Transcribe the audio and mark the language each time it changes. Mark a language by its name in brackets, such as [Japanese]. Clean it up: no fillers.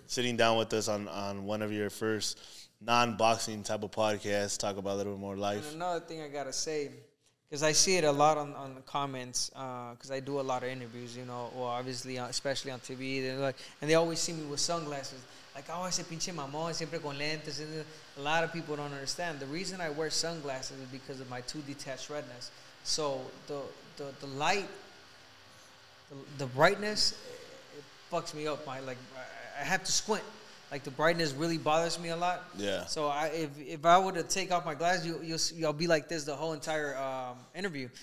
[English] Sitting down with us on one of your first non-boxing type of podcast, talk about a little bit more life. And another thing I got to say, because I see it a lot on the comments, because I do a lot of interviews, you know, or obviously, especially on TV, like, and they always see me with sunglasses. Like, oh, [Spanish] ese pinche mamón, siempre con lentes. [English] A lot of people don't understand. The reason I wear sunglasses is because of my two detached retinas. So the light, the brightness, it fucks me up. I have to squint. Like, the brightness really bothers me a lot. Yeah. So if I were to take off my glasses, you'll be like this the whole entire interview.